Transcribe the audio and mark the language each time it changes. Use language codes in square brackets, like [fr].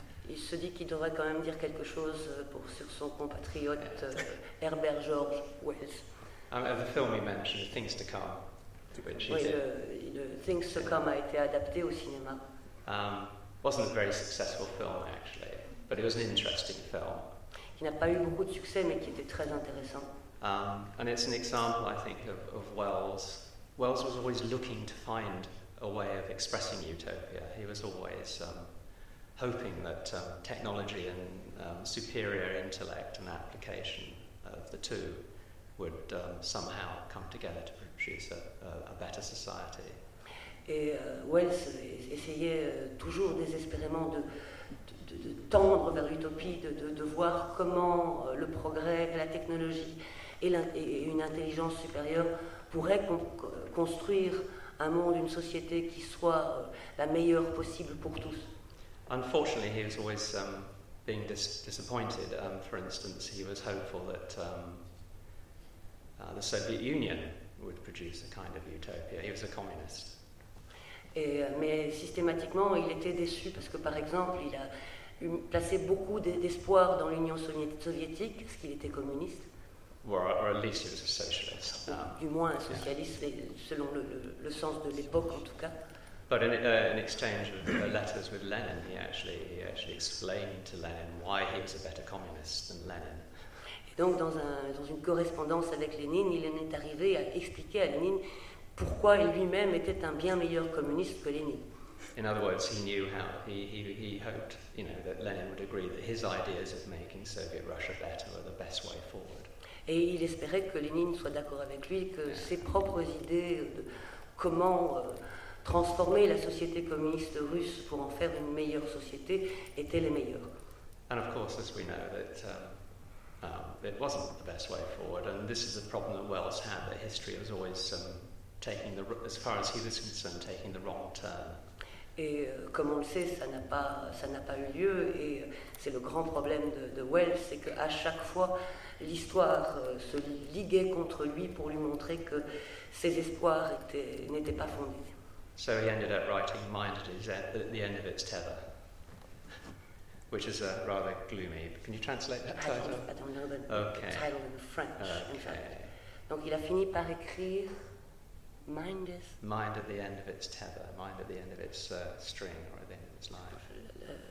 [fr] Il se dit qu'il devrait quand même dire quelque chose sur son compatriote Herbert George Wells. [en] The film he mentioned, Things to Come, which he did. [fr] Oui, Things to Come a été adapté au cinéma. [en] Wasn't a very successful film, actually, but it was an interesting film. [fr] Qui n'a pas eu beaucoup de succès, mais qui était très intéressant. [en] And it's an example, I think, of Wells. Wells was always looking to find a way of expressing utopia. He was always hoping that technology and superior intellect and application of the two would somehow come together to produce a better society. [fr] Et Wells essayait toujours désespérément de tendre vers l'utopie, de voir comment le progrès, la technologie et une intelligence supérieure pourraient construire un monde, une société qui soit la meilleure possible pour tous. [en] Unfortunately, he was always being disappointed. For instance, he was hopeful that the Soviet Union would produce a kind of utopia. He was a communist. [fr] Mais systématiquement, il était déçu parce que, par exemple, il a placé beaucoup d'espoir dans l'Union soviétique parce qu'il était communiste. [en] Or at least he was a socialist. [fr] Du moins un socialiste, yeah. Selon le sens de l'époque, en tout cas. [en] But in an exchange of letters with Lenin, he actually explained to Lenin why he was a better communist than Lenin. [fr] Et donc dans une correspondance avec Lénine, il en est arrivé à expliquer à Lénine pourquoi il lui-même était un bien meilleur communiste que Lénine. [en] In other words, he knew how he hoped, you know, that Lenin would agree that his ideas of making Soviet Russia better were the best way forward. [fr] Et il espérait que Lénine soit d'accord avec lui, que ses propres idées de comment transformer la société communiste russe pour en faire une meilleure société étaient les meilleures. [en] And of course, as we know, that it wasn't the best way forward, and this is a problem that Wells had, that history was always taking the, as far as he was concerned, taking the wrong turn. [fr] Et comme on le sait, ça n'a pas eu lieu, et c'est le grand problème de Wells, c'est qu'à chaque fois, l'histoire se liguait contre lui pour lui montrer que ses espoirs n'étaient pas fondés. [en] So he ended up writing Mind at the End of Its Tether, which is a rather gloomy. Can you translate that title? I don't know the title in French. Okay. In fact. [fr] Donc il a fini par écrire Mind is. [en] Mind at the End of Its Tether, Mind at the End of Its String, or at the End of Its Life.